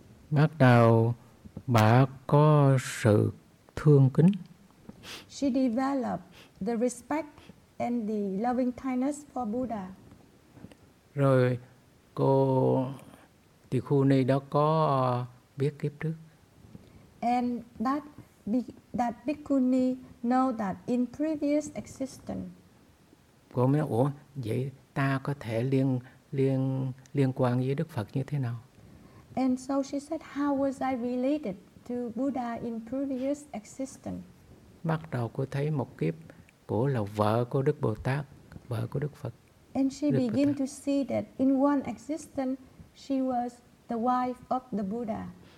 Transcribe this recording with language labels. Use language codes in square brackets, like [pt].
[vi] Bắt đầu bà có sự thương kính. [en] She developed the respect and the loving kindness for Buddha. [vi] Rồi cô tỳ khu ni đó có biết kiếp trước. [en] And that bhikkhuni know that in previous existence. [vi] Cô mới nói, ủa vậy ta có thể liên quan với Đức Phật như thế nào? [en] And so she said, how was I related to Buddha in previous existence? [vi] Bắt đầu cô thấy một kiếp cổ là vợ của Đức Bồ Tát, vợ của Đức Phật. [en] And she began to see that in one existence she was the wife of the Buddha.